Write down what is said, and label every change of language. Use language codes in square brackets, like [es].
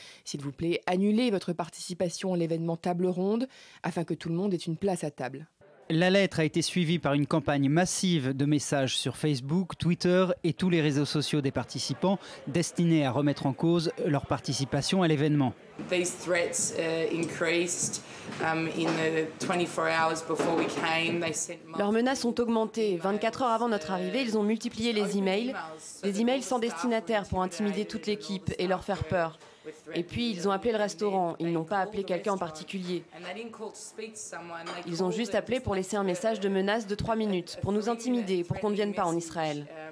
[fr] S'il vous plaît, annulez votre participation à l'événement Table Ronde afin que tout le monde ait une place à table. La lettre a été suivie par une campagne massive de messages sur Facebook, Twitter et tous les réseaux sociaux des participants destinés à remettre en cause leur participation à l'événement. [en] These threats increased in the 24 hours before we came. They sent [fr] Leurs menaces ont augmenté. 24 heures avant notre arrivée, ils ont multiplié les emails, des emails sans destinataire pour intimider toute l'équipe et leur faire peur. Et puis ils ont appelé le restaurant, ils n'ont pas appelé quelqu'un en particulier. Ils ont juste appelé pour laisser un message de menace de 3 minutes, pour nous intimider, pour qu'on ne vienne pas en Israël.